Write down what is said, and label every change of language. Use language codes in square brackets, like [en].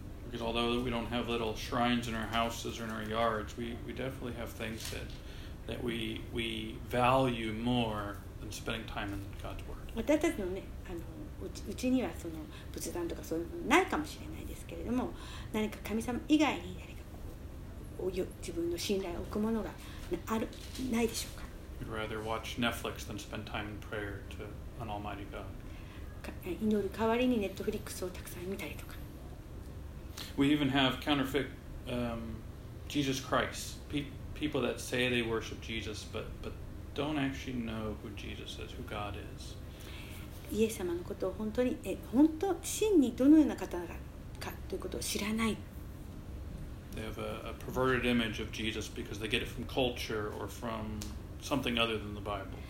[en] Because although we don't have little shrines in our houses or in our yards, we definitely have things that we value more than spending time in God's word. [ja] 私たちのね、うちにはその仏壇とかそういうのないかもしれないですけれども、何か神様以外に誰かこう自分の信頼を置くものがないでしょうか。 [en] We'd rather watch Netflix than spend time in prayer to an Almighty God. [ja] 祈る代わりに Netflix をたくさん見たりとか。 [en] We even have counterfeit Jesus Christ. People that say they worship Jesus, but don't actually know who Jesus is, who God is. [ja] イエス様のことを本当に本当真にどのような方かということを知らない。 [en] They have a perverted image of Jesus because they get it from culture or from. Something other than the Bible.